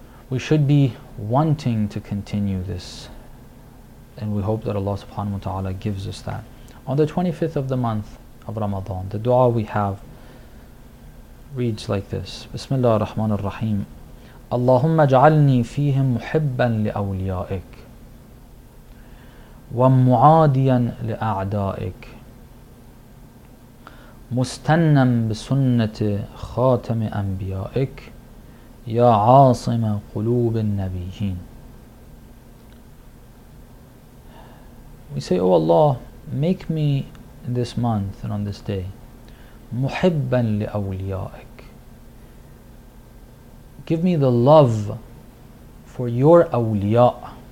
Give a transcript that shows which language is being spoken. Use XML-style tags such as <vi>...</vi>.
<en>We should be wanting to continue this, and we hope that Allah subhanahu wa ta'ala gives us that. On the 25th of the month of Ramadan, the dua we have reads like this.</en> <ar>Bismillah ar-Rahman ar-Rahim. اللهم اجعلني فيهم محبا لأوليائك ومعاديا لأعدائك مستنا بسنة خاتم أنبيائك يا عاصم قلوب النبيين.</ar> <en>We say, oh Allah, make me this month and on this day</en> <ar>محبا لأوليائك.</ar> <en>Give me the love for your awliya.</en>